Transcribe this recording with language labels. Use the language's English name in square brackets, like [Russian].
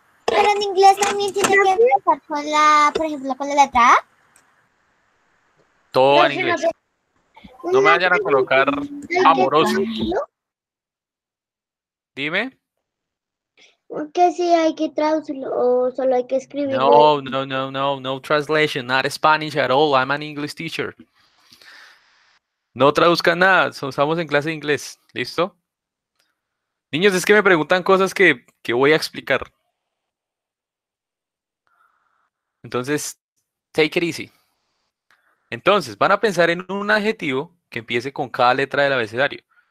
[Spanish] Pero en inglés también tiene que empezar con la, por ejemplo, con la letra A. Todo en inglés. No me vayan a colocar amoroso. Dime. ¿Qué si hay que traducirlo o solo hay que escribirlo? [English] No, no, no, no, no translation, not Spanish at all. I'm an English teacher. [Spanish] No traduzcan nada, estamos en clase de inglés. ¿Listo? Niños, es que me preguntan cosas que voy a explicar. Entonces, [English] take it easy. [Spanish] Entonces, van a pensar en un adjetivo que empiece con cada letra del abecedario.